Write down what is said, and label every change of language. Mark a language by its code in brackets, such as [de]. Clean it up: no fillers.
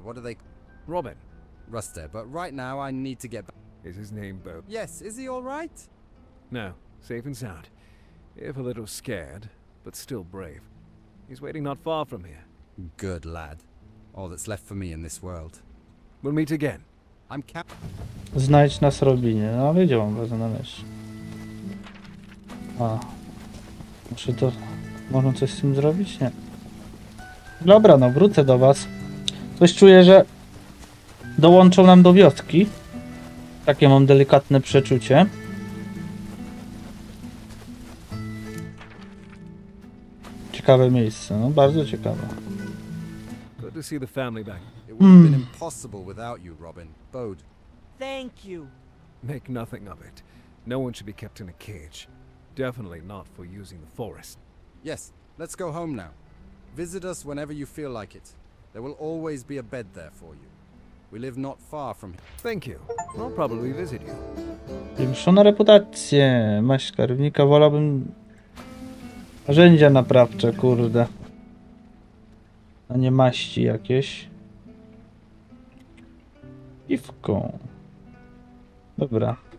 [en] What are they- Robin. Ruster, but right now I need to get back. Is his name Bo? Yes, is he all right? No, safe and sound. If a little scared, but still brave. He's waiting not far from here. Good lad. All that's left for me in this world. We'll meet again. I'm cap. [pl] Znajdź nas, Robinie. No wiedział, on go znaleźć. A. Muszę to. Można coś z tym zrobić? Nie. Dobra, no wrócę do was. Coś czuję, że dołączą nam do wioski. Takie mam delikatne przeczucie. Ciekawe miejsce, no bardzo ciekawe. [en] Good to see the family back. It would have been impossible without you, Robin. Bode. Thank you. Make nothing of it. No one should be kept in a cage. Definitely not for using the forest. Yes, let's go home now. Visit us whenever you feel like it. There will always be a bed there for you. We live not far from here. Thank you. I'll probably visit you. [pl] Zwiększona reputacja. Maś skarbnika, wolałbym. Narzędzia naprawcze, kurde. A nie maści jakieś. Piwką. Dobra.